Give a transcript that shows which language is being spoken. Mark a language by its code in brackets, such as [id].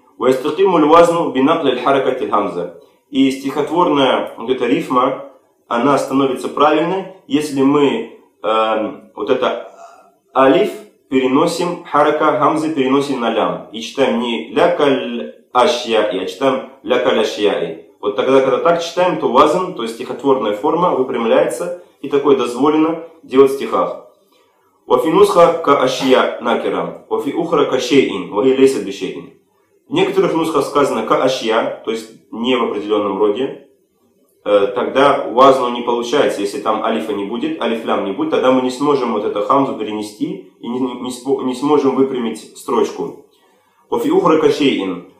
[ar] Вайстахиму львазну бинакли аль-харакати хамза. [ru] И стихотворная вот эта рифма, она становится правильной, если мы вот это алиф переносим, харака хамзы переносим на лям. И читаем не ля-каль-ашья, а читаем ля-каль-ашья. Вот тогда, когда так читаем, то вазн, то есть стихотворная форма, выпрямляется, и такое дозволено делать в стихах. [ar] وفي نسخة كأشياء نكرة وفي أخرى كشيء وهي ليست بشيء. [ru] В некоторых нусхах сказано كأشياء, то есть не в определенном роде, тогда вазну не получается, если там алифа не будет, алифлям не будет, тогда мы не сможем вот эту хамзу перенести и не сможем выпрямить строчку. [ar] وفي أخرى كشيء.